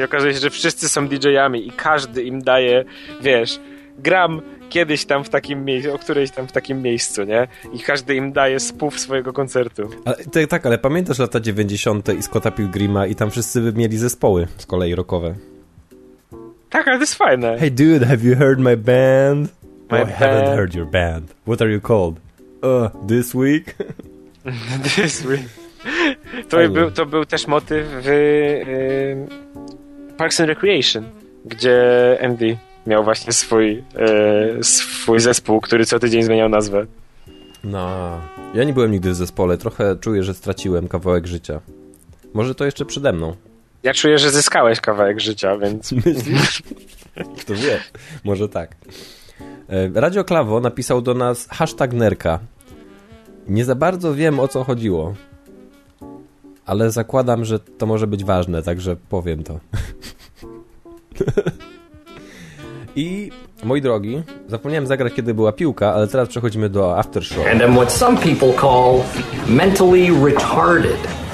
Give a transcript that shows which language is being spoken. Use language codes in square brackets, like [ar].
[pl] I okazuje się, że wszyscy są DJ-ami i każdy im daje, wiesz, gram kiedyś tam w takim miejscu, o którejś tam w takim miejscu, nie? I każdy im daje spów swojego koncertu. Ale pamiętasz lata 90. i Scotta Pilgrima i tam wszyscy by mieli zespoły z kolei rockowe. Tak, ale to jest fajne. [en] Hey dude, have you heard my band? My band. I haven't heard your band. What are you called? This week? This week. [pl] To był też motyw w Parks and Recreation, gdzie Andy miał właśnie swój zespół, który co tydzień zmieniał nazwę. No, ja nie byłem nigdy w zespole. Trochę czuję, że straciłem kawałek życia. Może to jeszcze przede mną. Ja czuję, że zyskałeś kawałek życia, więc... Myślisz? Kto wie? Może tak. Radio Klawo napisał do nas hashtag nerka. Nie za bardzo wiem, o co chodziło. Ale zakładam, że to może być ważne, także powiem to. I, moi drogi, zapomniałem zagrać, kiedy była piłka, ale teraz przechodzimy do aftershow. [en] And I'm what some people call mentally retarded.